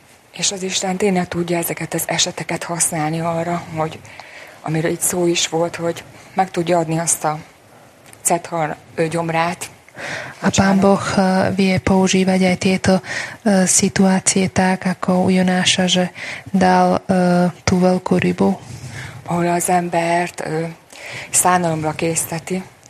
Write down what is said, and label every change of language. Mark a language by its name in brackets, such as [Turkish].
[Hungarian] És az Isten tényleg tudja ezeket az eseteket használni arra, hogy amiről itt szó is volt, hogy meg tudja adni azt a cethar gyomrát. [Slovak] A Pán Boh vie používať aj tieto situácie tak, ako u Jonáša, že dal tú veľkú rybu. [Hungarian] Ahol az embert szánalomra készteti.